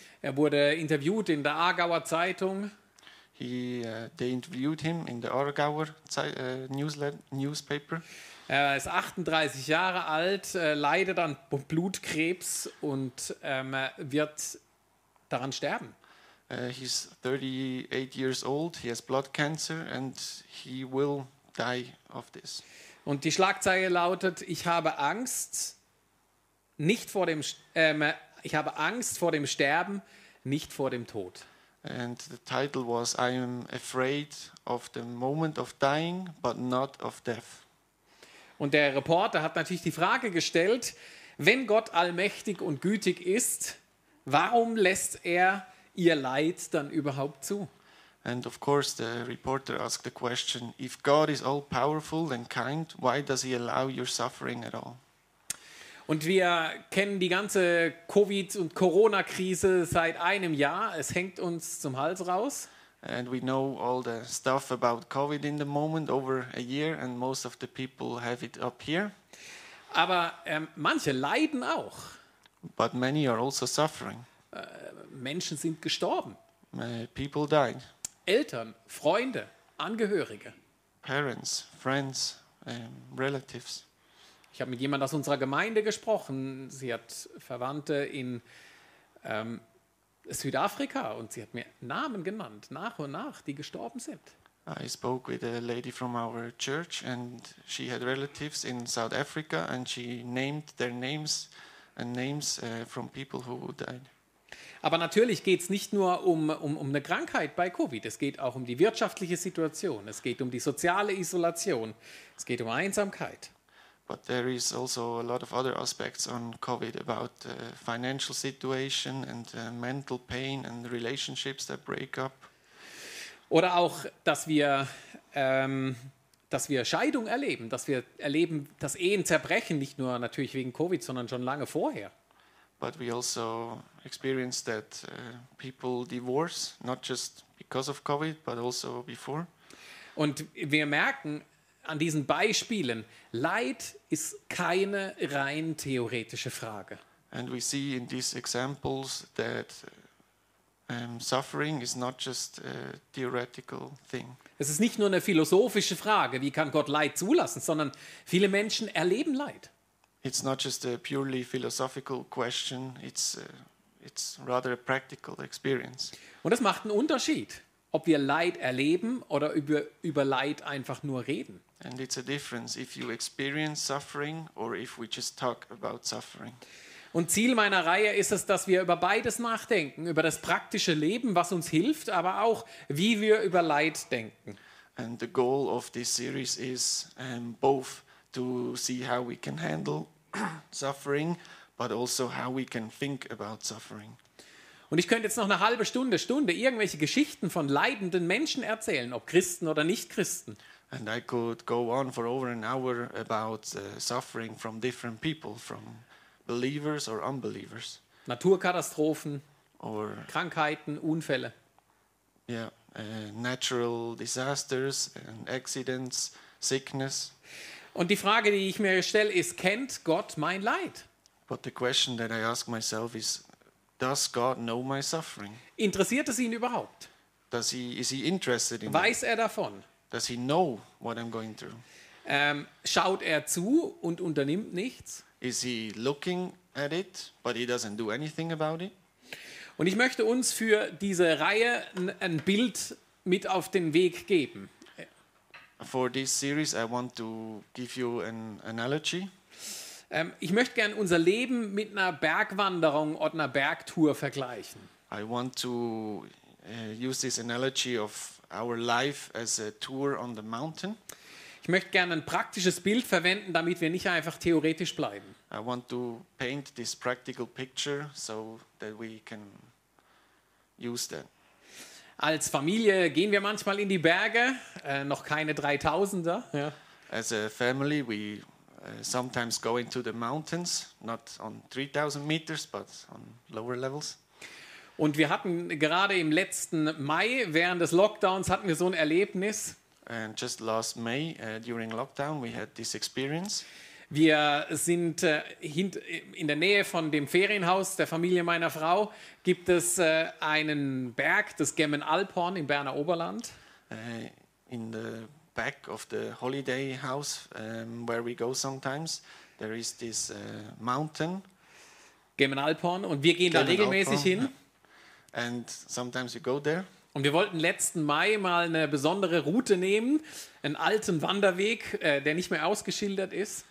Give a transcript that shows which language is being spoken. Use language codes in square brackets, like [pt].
[de] Er wurde interviewt in der Aargauer Zeitung. [en] They interviewed him in the Aargauer newspaper. [de] Er ist 38 Jahre alt, leidet an Blutkrebs und wird daran sterben. [en] He's 38 years old, he has blood cancer and he will die of this. [de] Und die Schlagzeile lautet, ich habe Angst vor dem Sterben, nicht vor dem Tod. [en] And the title was, I am afraid of the moment of dying, but not of death. [de] Und der Reporter hat natürlich die Frage gestellt, wenn Gott allmächtig und gütig ist, warum lässt er ihr Leid dann überhaupt zu? [en] And of course the reporter asked the question, if God is all powerful and kind, why does he allow your suffering at all? [de] Und wir kennen die ganze Covid- und Corona-Krise seit einem Jahr. Es hängt uns zum Hals raus. [en] And we know all the stuff about COVID in the moment, over a year, and most of the people have it up here. [de] Aber manche leiden auch. [en] But many are also suffering. [de] Menschen sind gestorben. [en] People died. [de] Eltern, Freunde, Angehörige. [en] Parents, friends, relatives. [de] Ich habe mit jemandem aus unserer Gemeinde gesprochen. Sie hat Verwandte in Südafrika und sie hat mir Namen genannt, nach und nach, die gestorben sind. [en] I spoke with a lady from our church and she had relatives in South Africa and she named their names and names from people who died. [de] Aber natürlich geht es nicht nur um eine Krankheit bei Covid. Es geht auch um die wirtschaftliche Situation. Es geht um die soziale Isolation. Es geht um Einsamkeit. [en] But there is also a lot of other aspects on COVID about the financial situation and mental pain and relationships that break up. [de] Oder auch, dass wir Scheidung erleben, dass wir erleben, dass Ehen zerbrechen, nicht nur natürlich wegen Covid, sondern schon lange vorher. [en] But we also experience that people divorce, not just because of COVID, but also before. [de] Und wir merken, an diesen Beispielen, Leid ist keine rein theoretische Frage. [en] And we see in these examples that suffering is not just a theoretical thing. [de] Es ist nicht nur eine philosophische Frage, wie kann Gott Leid zulassen, sondern viele Menschen erleben Leid. [en] It's not just a purely philosophical question, it's rather a practical experience. [de] Und das macht einen Unterschied, ob wir Leid erleben oder über Leid einfach nur reden. [en] And it's a difference if you experience suffering or if we just talk about suffering. [de] Und Ziel meiner Reihe ist es, dass wir über beides nachdenken, über das praktische Leben, was uns hilft, aber auch, wie wir über Leid denken. [en] And the goal of this series is both to see how we can handle suffering, but also how we can think about suffering. [de] Und ich könnte jetzt noch eine halbe Stunde irgendwelche Geschichten von leidenden Menschen erzählen, ob Christen oder Nichtchristen. [en] And I could go on for over an hour about suffering from different people, from believers or unbelievers. [de] Naturkatastrophen or Krankheiten, Unfälle. [en] Yeah, natural disasters and accidents, sickness. [de] Und die Frage, die ich mir stelle, ist, kennt Gott mein Leid? [en] But the question that I ask myself is, does God know my suffering? [de] Interessiert es ihn überhaupt? [en] Is he interested in [de] Weiß er davon? [en] Does he know what I'm going through? [de] Schaut er zu und unternimmt nichts? [en] Is he looking at it, but he doesn't do anything about it? [de] Und ich möchte uns für diese Reihe ein Bild mit auf den Weg geben. [en] For this series, I want to give you an analogy. [de] Ich möchte gern unser Leben mit einer Bergwanderung oder einer Bergtour vergleichen. [en] I want to use this analogy of our life as a tour on the mountain. [de] Ich möchte gerne ein praktisches Bild verwenden, damit wir nicht einfach theoretisch bleiben. [en] I want to paint this practical picture so that we can use that. [de] Als Familie gehen wir manchmal in die Berge, noch keine 3000er. Ja. [en] As a family, we sometimes go into the mountains, not on 3000 meters, but on lower levels. [de] Und wir hatten gerade im letzten Mai, während des Lockdowns, hatten wir so ein Erlebnis. [en] And just last May, during lockdown, we had this experience. [de] Wir sind in der Nähe von dem Ferienhaus der Familie meiner Frau, gibt es einen Berg, das Gemmen Alphorn im Berner Oberland. [en] In the back of the holiday house, where we go sometimes, there is this mountain. [de] Gemmen Alphorn, und wir gehen Gemmen da regelmäßig Alphorn, hin. [en] And sometimes you go there. [de] Und wir wollten letzten Mai mal eine besondere Route nehmen, einen alten Wanderweg, der nicht mehr ausgeschildert ist.